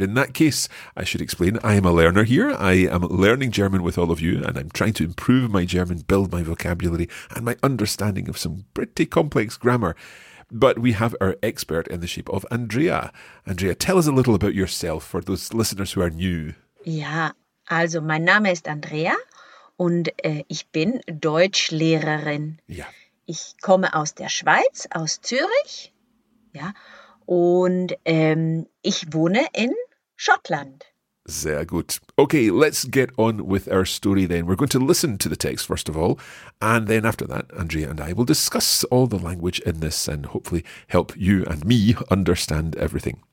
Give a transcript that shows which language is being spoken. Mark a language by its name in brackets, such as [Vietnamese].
[English] In that case, I should explain, I am a learner here. I am learning German with all of you, and I'm trying to improve my German, build my vocabulary and my understanding of some pretty complex grammar. But we have our expert in the shape of Andrea. Andrea, tell us a little about yourself for those listeners who are new. [German] Ja, also mein Name ist Andrea und ich bin Deutschlehrerin. Ja. Ich komme aus der Schweiz, aus Zürich, ja, und ich wohne in Schottland. Sehr gut. [English] Okay, let's get on with our story then. We're going to listen to the text, first of all, and then after that, Andrea and I will discuss all the language in this and hopefully help you and me understand everything.